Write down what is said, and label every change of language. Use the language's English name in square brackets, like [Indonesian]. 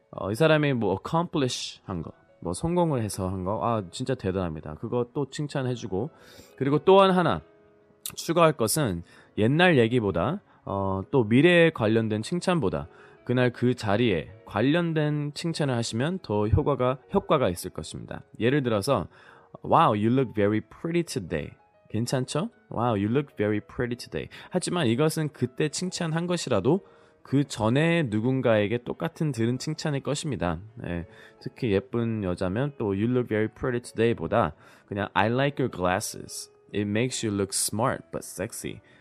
[Korean] 이 사람이 뭐 accomplish 한 거, 뭐 성공을 해서 한 거, 아 진짜 대단합니다. 그거 또 칭찬해주고 그리고 또한 하나 추가할 것은 옛날 얘기보다 또 미래에 관련된 칭찬보다 그날 그 자리에 관련된 칭찬을 하시면 더 효과가 있을 것입니다. 예를 들어서 [English] Wow, you look very pretty today. [Korean] 괜찮죠? [English] Wow, you look very pretty today. [Korean] 하지만 이것은 그때 칭찬한 것이라도 그 전에 누군가에게 똑같은 들은 칭찬일 것입니다. 네, 특히 예쁜 여자면 또 [English] You look very pretty today [Korean] 보다 그냥 [English] I like your glasses. It makes you look smart but sexy.